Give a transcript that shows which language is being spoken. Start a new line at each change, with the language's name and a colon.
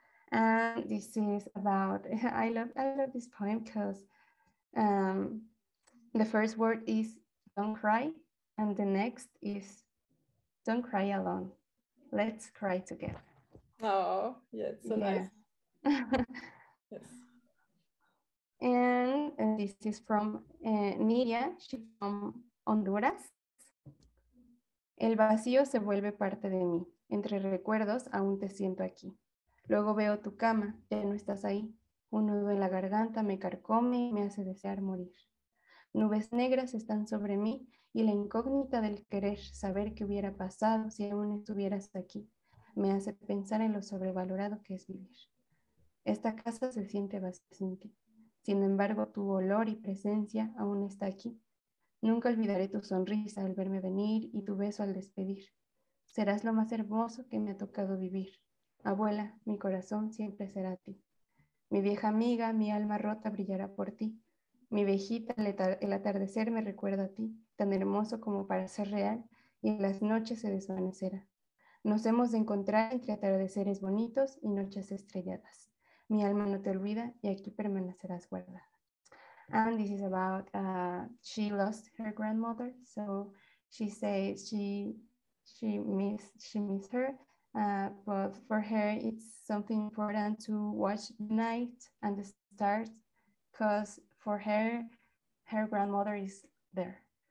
English: And this is about, I love this poem, because the first word is don't cry, and the next is don't cry alone, let's cry together. Oh, yeah, so yeah. Nice. Yes. And this is from Nidia, she's from Honduras.
Spanish: El vacío se vuelve parte de mí, entre recuerdos aún te siento aquí. Luego veo tu cama, ya no estás ahí. Un nudo en la garganta me carcome y me hace desear morir. Nubes negras están sobre mí y la incógnita del querer saber qué hubiera pasado si aún estuvieras aquí me hace pensar en lo sobrevalorado que es vivir. Esta casa se siente vacía sin ti. Sin embargo, tu olor y presencia aún está aquí. Nunca olvidaré tu sonrisa al verme venir y tu beso al despedir. Serás lo más hermoso que me ha tocado vivir. Abuela, mi corazón siempre será a ti. Mi vieja amiga, mi alma rota brillará por ti. Mi viejita, el atardecer me recuerda a ti, tan hermoso como para ser real, y en las noches se desvanecerá. Nos hemos de encontrar entre atardeceres bonitos y noches estrelladas. Mi alma no te olvida y aquí permanecerás guardada.
English: And this is about she lost her grandmother. So she says she she missed her, but for her it's something important to watch the night and the stars, because for her, her grandmother is there.